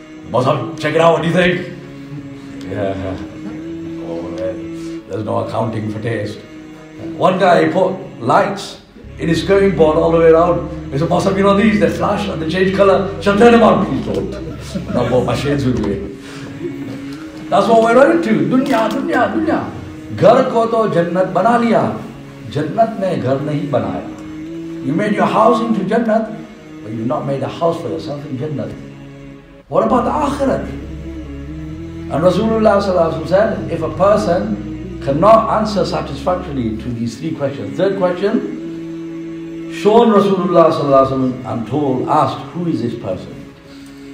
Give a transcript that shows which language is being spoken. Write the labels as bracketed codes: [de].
[en] Well, check it out, what do you think? Yeah. There's no accounting for taste. One guy put lights in his skirting board all the way around. He said, "Boss, you know these? They flash and they change color. Shall turn them on, please don't." And I bought my shades with me. That's what we're running to. [ur] دنیا, دنیا, دنیا. گھر کو تو جنت بنا لیا. جنت نے گھر نہیں بنایا. [en] You made your house into jannat, but you've not made a house for yourself in jannat. What about the akhirat? And Rasulullah sallallahu alaihi wasallam said, if a person cannot answer satisfactorily to these three questions. Third question, shown Rasulullah sallallahu alaihi wasallam and told, asked, who is this person?